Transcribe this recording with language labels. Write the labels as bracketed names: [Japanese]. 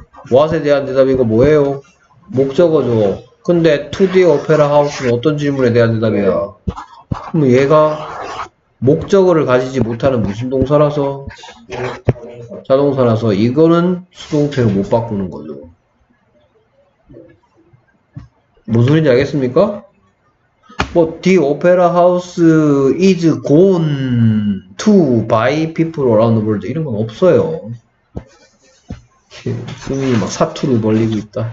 [Korean] What에 대한 대답이고 뭐예요? 목적어죠. 근데 [English] to the opera house [Korean] 는 어떤 질문에 대한 대답이야? 그럼 얘가 목적어를 가지지 못하는 무슨 동사라서? 자동사라서 이거는 수동태로 못 바꾸는 거죠. 무슨 소린지 알겠습니까? [English] 뭐, the opera house is gone to by people around the world. [Korean] 이런 건 없어요. 승민이 막 사투를 벌리고 있다.